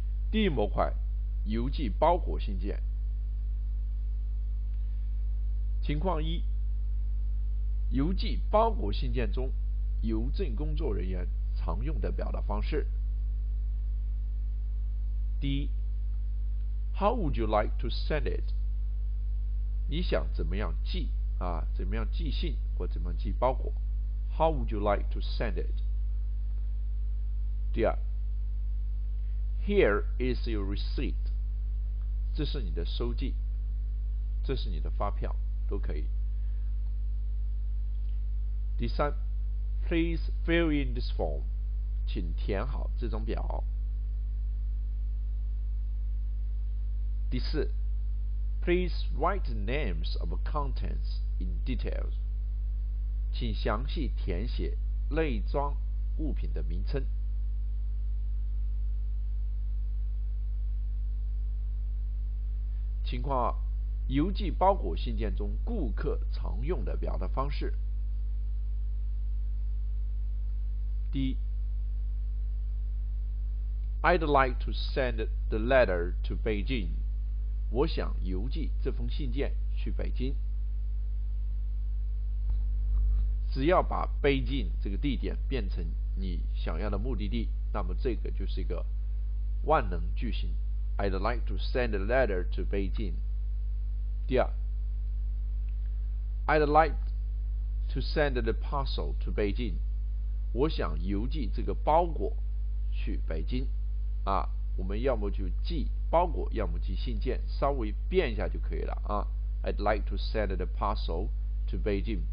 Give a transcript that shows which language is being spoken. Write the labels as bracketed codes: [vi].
[zh] 第一模块，邮寄包裹信件。情况一，邮寄包裹信件中邮政工作人员常用的表达方式。第一， [en] How would you like to send it? [zh] 你想怎么样寄啊，怎么样寄信或怎么样寄包裹。 [en] How would you like to send it? [zh] 第二， [en] Here is your receipt. [zh] 这是你的收寄，这是你的发票，都可以。第三， [en] Please fill in this form. [zh] 请填好这张表。第四， [en] Please write the names of contents in details. [zh] 请详细填写内装物品的名称。情况二，邮寄包裹信件中顾客常用的表达方式。第一， [en] I'd like to send the letter to Beijing. [zh] 我想邮寄这封信件去北京。只要把北京这个地点变成你想要的目的地，那么这个就是一个万能句型。 [en] I'd like to send a letter to Beijing. [zh] 第二， [en] I'd like to send the parcel to Beijing. [zh] 我想邮寄这个包裹去北京啊，我们要么就寄包裹，要么寄信件，稍微变一下就可以了啊。 [en] I'd like to send the parcel to Beijing.